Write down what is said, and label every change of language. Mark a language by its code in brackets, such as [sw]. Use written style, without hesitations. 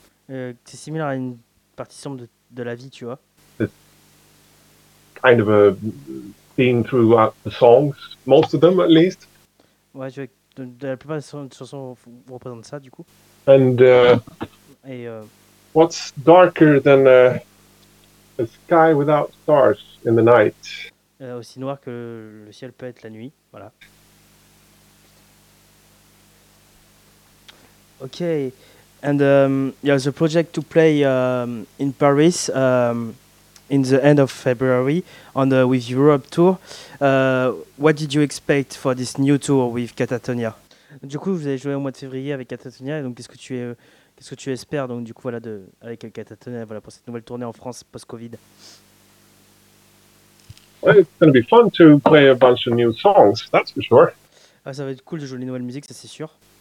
[fr] C'est similaire à une partie sombre de la vie, tu vois. [en] It's kind of a theme throughout the songs, most of them at least. [fr] Ouais, tu vois, la plupart des chansons représentent ça, du coup. [en] And what's darker than a sky without stars in the night? [fr] Aussi noir que le ciel peut être la nuit, voilà. [en] Okay, and yeah, the project to play in Paris in the end of February on the with Europe tour. What did you expect for this new tour with Catatonia? [fr] Du coup, vous avez joué au mois de février avec Catatonia, donc qu'est-ce que tu espères donc du coup voilà avec Catatonia voilà pour cette nouvelle tournée en France post-Covid? [en] Well, it's going to be fun to play a bunch of new songs. That's for sure. [fr] Ah, ça va être cool de jouer les nouvelles musiques, ça c'est sûr.